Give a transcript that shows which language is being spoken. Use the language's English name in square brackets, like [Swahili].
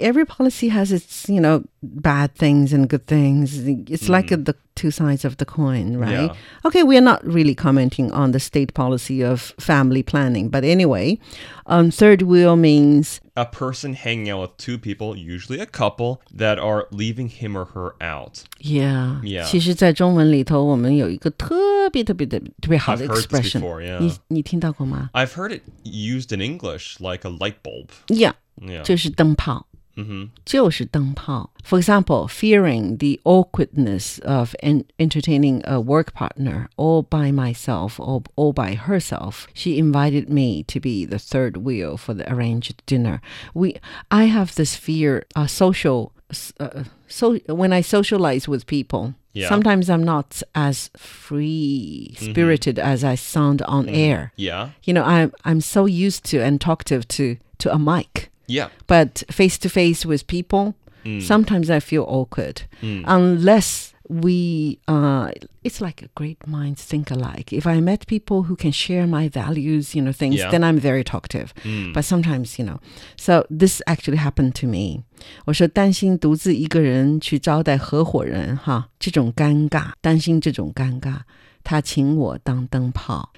[English] Every policy has its, you know, bad things and good things. It's mm. like the two sides of the coin, right? Yeah. Okay, we are not really commenting on the state policy of family planning. But anyway, third wheel means... A person hanging out with two people, usually a couple, that are leaving him or her out. Yeah. Yeah. [Chinese] 其实在中文里头我们有一个特别特别特别好的 [English] expression. I've heard this before, yeah. [Chinese] 你听到过吗? [English] I've heard it used in English, like a light bulb. Yeah. Yeah. [Chinese] 就是灯泡。就是灯泡。 [English] For example, fearing the awkwardness of entertaining a work partner all by myself or all by herself, she invited me to be the third wheel for the arranged dinner. I have this fear, when I socialize with people, Yeah. Sometimes I'm not as free-spirited as I sound on air. Yeah. You know, I'm so used to and talkative to a mic. Yeah. But face-to-face with people, sometimes I feel awkward. Unless we, it's like a great minds think alike. If I met people who can share my values, you know, things, then I'm very talkative. But sometimes, you know, so this actually happened to me. [Chinese] 我说担心独自一个人去招待合伙人哈，这种尴尬，担心这种尴尬，他请我当灯泡。